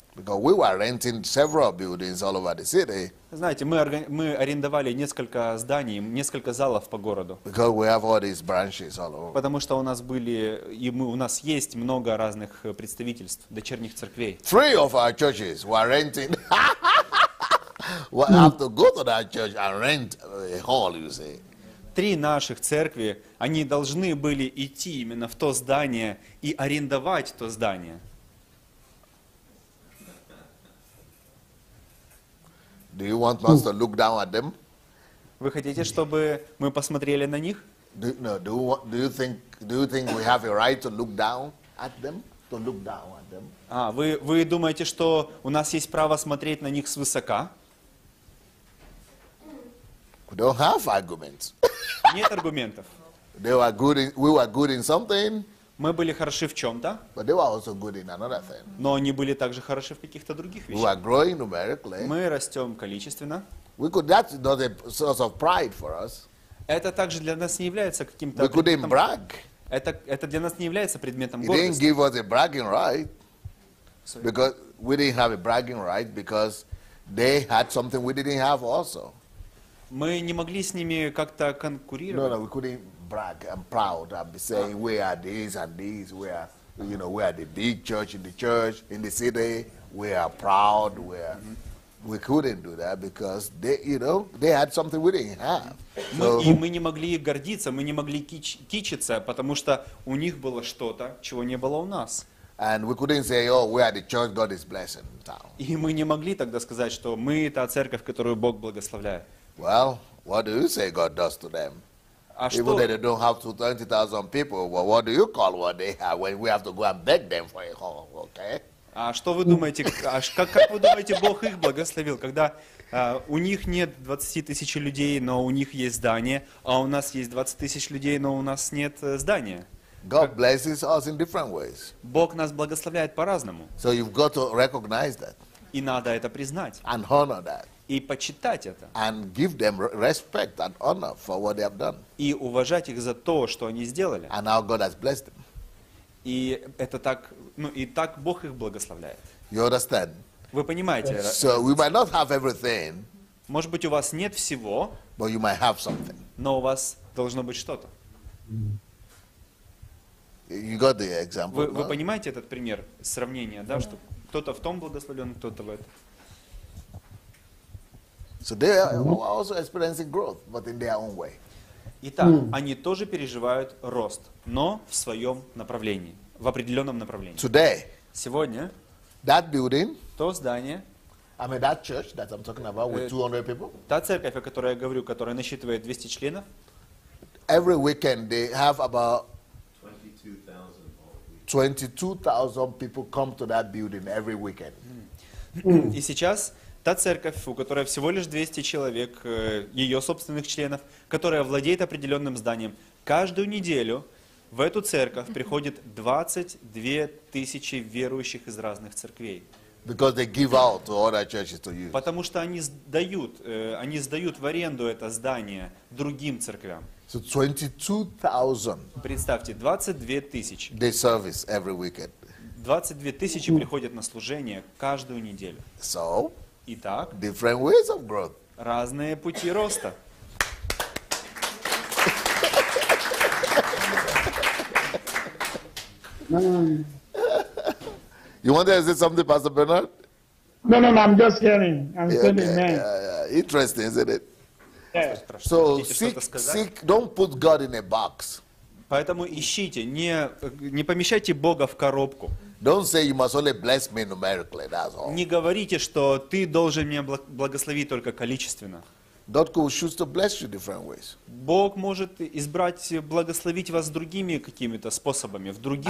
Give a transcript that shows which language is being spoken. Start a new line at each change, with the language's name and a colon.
English: Because we were renting several buildings all over the city.
Russian: Знаете, мы арендовали несколько зданий, несколько залов по городу.
English: Because we have all these branches all over.
Russian: Потому что у нас были и мы у нас есть много разных представительств дочерних церквей.
English: Three of our churches were renting. We have to go to that church and rent a hall, you see.
Russian: Три наших церкви, они должны были идти именно в то здание и арендовать то здание.
English: Do you want us to look down at them?
Russian: Вы хотите, чтобы мы посмотрели на них?
English: Do you think we have a right to look down at them? To look down at them?
Russian: А, вы думаете, что у нас есть право смотреть на них свысока?
English: We don't have arguments.
Russian: Нет аргументов.
English: They were good in, we were good in something.
Russian: Мы были хороши в чем-то.
English: But they were also good in another thing.
Russian: Но они были также хороши в каких-то других вещах.
English: We are growing numerically.
Russian: Мы растем количественно.
English: We could, that's not a source of pride for us.
Russian: Это также для нас не является каким-то
English: We couldn't brag.
Russian: Это для нас не является предметом гордости.
English: He didn't give us a bragging right. Sorry. Because we didn't have a bragging right because they had something we didn't have also.
Russian: Мы не могли с ними как-то конкурировать.
English: No, we couldn't brag and proud and be saying we are this and this. We are, you know, we are the big church, in the city. We are proud. We are. We couldn't do that because they, you know, they had something we didn't have.
Russian: So, и мы не могли гордиться, мы не могли кичиться, потому что у них было что-то, чего не было у нас.
English: And we couldn't say, oh, we are the church God is blessing in town.
Russian: И мы не могли тогда сказать, что мы та церковь, которую Бог благословляет.
English: Well, what do you say God does to them? Even though they don't have 20,000 people, well, what do you call what they have when we have to go and beg them for a home, okay?
Russian: А что вы думаете, как вы думаете, Бог их благословил, когда у них нет 20 тысяч людей, но у них есть здание, а у нас есть 20 тысяч людей, но у нас нет здания?
English: God blesses us in different ways.
Russian: Бог нас благословляет по-разному.
English: So you've got to recognize that.
Russian: И надо это признать.
English: And honor that.
Russian: И почитать это.
English: And give them respect and honor for what they have done.
Russian: И уважать их за то, что они сделали.
English: And how God has blessed them.
Russian: И это так, ну и так Бог их благословляет.
English: You understand?
Russian: Вы понимаете?
English: So we might not have everything.
Russian: Может быть, у вас нет всего.
English: But you might have something.
Russian: Но у вас должно быть что-то.
English: You got the example.
Russian: Вы понимаете этот пример сравнения, да, что кто-то в том благословлен, кто-то в этом.
English: So they are also experiencing growth, but in their own way.
Russian: Итак, они тоже переживают рост, но в своем направлении, в определенном направлении.
English: Today,
Russian: сегодня,
English: that building,
Russian: то здание,
English: I mean that church that I'm talking about with 200 people,
Russian: та церковь, о которой я говорю, которая насчитывает 200 членов,
English: every weekend they have about 22,000 people come to that building every weekend.
Russian: И сейчас та церковь, у которой всего лишь 200 человек, ее собственных членов, которая владеет определенным зданием, каждую неделю в эту церковь приходит 22 тысячи верующих из разных церквей.
English: Because they give out to other churches to use.
Russian: Потому что они сдают в аренду это здание другим церквям.
English: So 22,000.
Russian: Представьте, 22 тысячи.
English: They service every weekend.
Russian: 22 тысячи приходят на служение каждую неделю.
English: So?
Russian: Итак,
English: different ways of growth.
Russian: Разные пути роста.
English: You want to say something, Pastor Bernard? No, I'm just hearing. Yeah. Interesting, isn't it? Yeah. So seek, don't put God in a box.
Russian: Поэтому ищите, не помещайте Бога в коробку.
English: Don't say you must only bless me numerically. That's all.
Russian: Не говорите, что ты должен меня благословить только количественно.
English: God could choose to bless you different ways.
Russian: Бог может избрать благословить вас другими какими-то способами в других